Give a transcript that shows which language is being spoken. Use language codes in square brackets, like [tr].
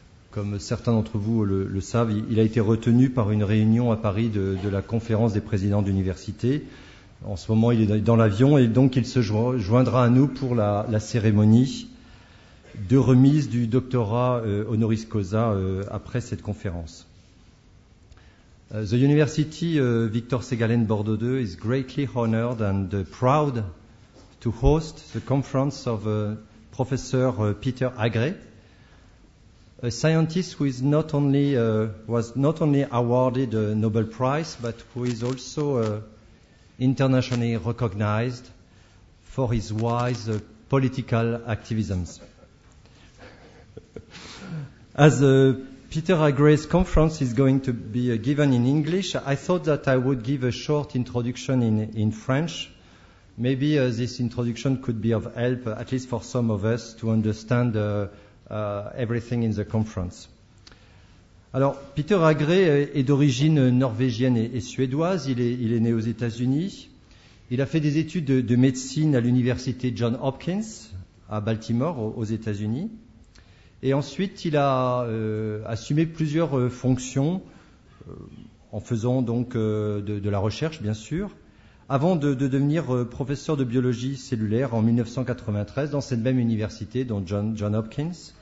[fr] Comme certains d'entre vous le savent, il a été retenu par une réunion à Paris de la conférence des présidents d'université. En ce moment, il est dans l'avion et donc il se joindra à nous pour la cérémonie de remise du doctorat honoris causa après cette conférence. [en] The University Victor Ségalen Bordeaux II is greatly honored and proud to host the conference of Professor Peter Agré, a scientist who was not only awarded a Nobel Prize, but who is also internationally recognized for his wise political activisms. As Peter Agré's conference is going to be given in English, I thought that I would give a short introduction in French. Maybe this introduction could be of help, at least for some of us, to understand everything in the conference. [fr] Alors, Peter Agré est d'origine norvégienne et suédoise. Il est né aux États-Unis. Il a fait des études de médecine à l'université Johns Hopkins à Baltimore, aux États-Unis. Et ensuite, il a assumé plusieurs fonctions en faisant donc de la recherche, bien sûr, avant de devenir professeur de biologie cellulaire en 1993 dans cette même université, dont Johns Hopkins.